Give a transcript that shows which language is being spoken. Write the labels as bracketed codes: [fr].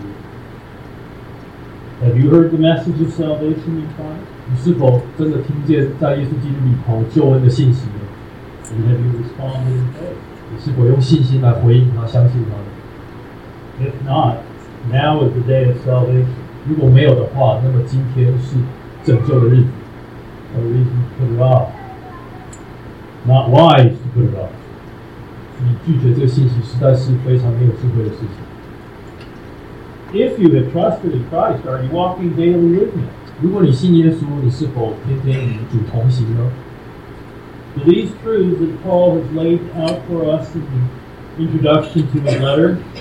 [zh] 那在使徒行传最后一章，你看到保罗他即使被关在罗马监狱，他仍然继续的传福音，甚至有一些犹太人的长老到那边，他也跟他们传福音。 [en] Have you heard the message of salvation in Christ? [zh] 你是否真的听见在耶稣基督里头救恩的信息？ [en] And have you responded in faith? [zh] 你是否用信心来回应他，相信他？ [en] If not, now is the day of salvation. [zh] 如果没有的话，那么今天是拯救的日子。 [en] No reason to put it off. Not wise to put it off. [zh] 你拒绝这个信息，实在是非常没有智慧的事情。 [en] If you have trusted in Christ, are you walking daily with Him? [zh] 如果你信耶稣，你是否天天与主同行呢？ [en] So these truths that Paul has laid out for us in the introduction to his letter,